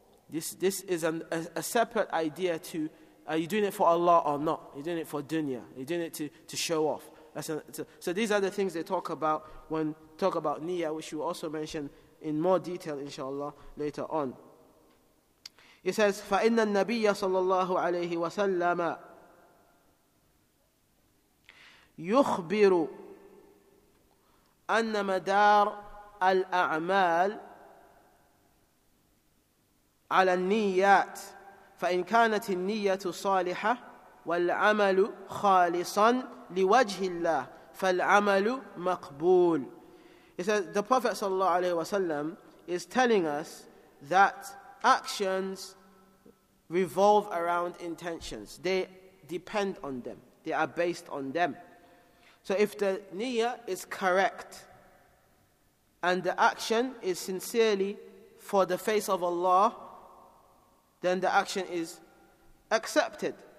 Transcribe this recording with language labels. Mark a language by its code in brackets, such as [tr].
[en] This is a separate idea to, are you doing it for Allah or not? Are you doing it for dunya? Are you doing it to show off? So these are the things they talk about when talk about niyyah, which we'll also mention in more detail, inshallah, later on. He says, [ar] فَإِنَّ النَّبِيَّ صَلَّى اللَّهُ عَلَيْهِ وَسَلَّمَ يُخْبِرُ أَنَّ مَدَارَ الْأَعْمَالِ على النيات فإن كانت النية صالحة والعمل خالصا لوجه الله فالعمل مقبول. [en] He says the Prophet sallallahu alaihi wasallam is telling us that actions revolve around intentions. They depend on them. They are based on them. So if the niyyah is correct and the action is sincerely for the face of Allah, then the action is accepted.